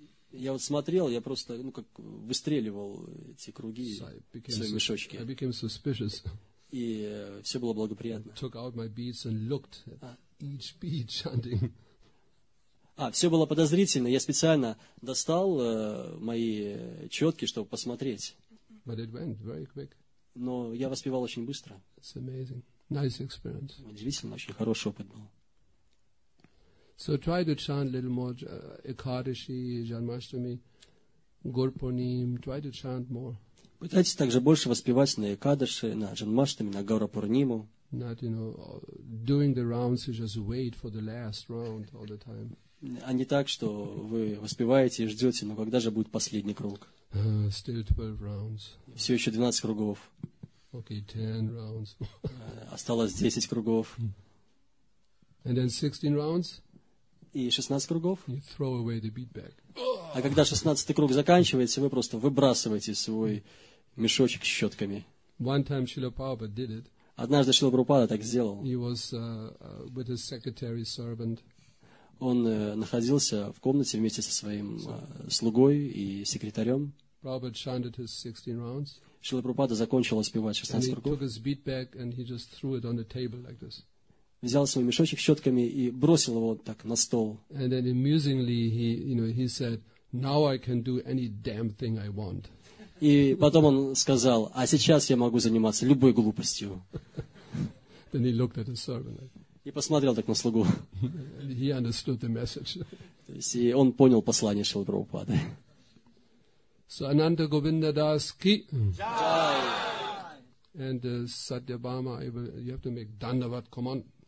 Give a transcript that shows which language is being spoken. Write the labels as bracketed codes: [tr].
[ru] Я вот смотрел, я просто как выстреливал эти круги свои мешочки. [en] I became suspicious. [ru] И все было благоприятно. [en] Took out my beads and looked at each bead chanting. [ru] А, все было подозрительно. Я специально достал мои четки, чтобы посмотреть. [en] But it went very quick. [ru] Но я воспевал очень быстро. [en] It's amazing. Nice experience. [ru] Удивительно, очень хороший опыт был. [en] So try to chant a little more Ekadashi, Janmashtami, Gurpurnim. Try to chant more. [ru] Пытайтесь также больше воспевать на Экадаши, на Джанмаштами, на Гаурапурниму. [en] Not, you know, doing the rounds, you just wait for the last round all the time. [ru] А не так, что вы воспеваете и ждете, но когда же будет последний круг? [en] Still 12 rounds. [ru] Все еще 12 кругов. [en] Okay, 10 rounds. [ru] Осталось 10 кругов. [en] And then 16 rounds. [ru] И 16 кругов. [en] You throw away the beatbag. [ru] А когда 16-й круг заканчивается, вы просто выбрасываете свой мешочек с щетками. [en] One time Srila Prabhupada did it. [ru] Однажды Шрила Прабхупада так сделал. [en] He was with his secretary servant. [ru] Он находился в комнате вместе со своим слугой и секретарем. [en] Prabhupada chanted his 16 rounds. [ru] Шрила Прабхупада закончил воспевать 16 кругов. [en] And he took his beatbag and he just threw it on the table like this. [ru] Взял свой мешочек с щетками и бросил его вот так на стол. [en] And then amusingly he, you know, he said, now I can do any damn thing I want. [ru] И потом он сказал, а сейчас я могу заниматься любой глупостью. [en] Then he looked at his servant. [ru] И посмотрел так на слугу. [en] He understood the message. [ru] То есть он понял послание Шрилы Прабхупады. [en] So Ananta Govinda Das ki. [sa] Jai. [en] And Satyabhama, you have to make Dandavat, come on.